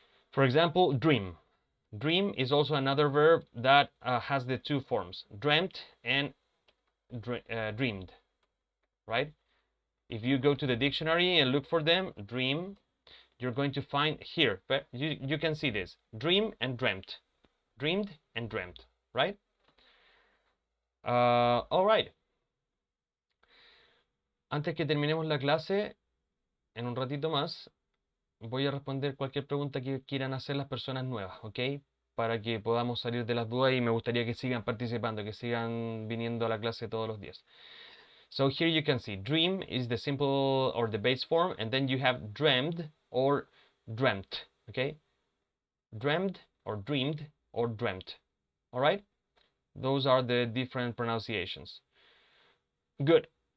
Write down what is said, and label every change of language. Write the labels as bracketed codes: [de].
[en] For example, dream. Dream is also another verb that has the two forms, dreamt and dreamed, right? If you go to the dictionary and look for them, dream, you're going to find here, but you can see this, dream and dreamt, dreamed and dreamt, right? All right. [es] Antes que terminemos la clase, en un ratito más, voy a responder cualquier pregunta que quieran hacer las personas nuevas, ¿ok? Para que podamos salir de las dudas y me gustaría que sigan participando, que sigan viniendo a la clase todos los días. [en] So here you can see, dream is the simple or the base form, and then you have dreamed or dreamt, okay? Dreamed or dreamt, all right? Those are the different pronunciations. Good.